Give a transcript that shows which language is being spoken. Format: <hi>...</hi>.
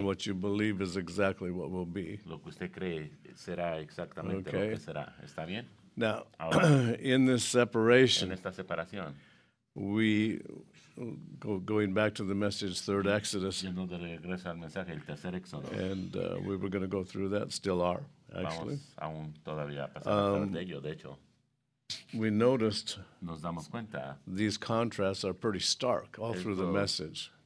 <en>What you believe is exactly what will be.</en> <es>Lo que usted cree será exactamente</es> <en>okay.</en> <es>lo que será. ¿Está bien?</es> <en>Now, in this separation,</en> <es>en esta separación,</es> <en>we, going back to the message, third Exodus,</en> <es>yendo de regreso al mensaje, el tercer Éxodo,</es> <en>and we were going to go through that, still are, actually.</en> <es>Vamos aún todavía a pasar de ello, de hecho.</es> <en>We noticed</en> <es>nos damos cuenta,</es> <en>these contrasts are pretty stark all through the message.</en>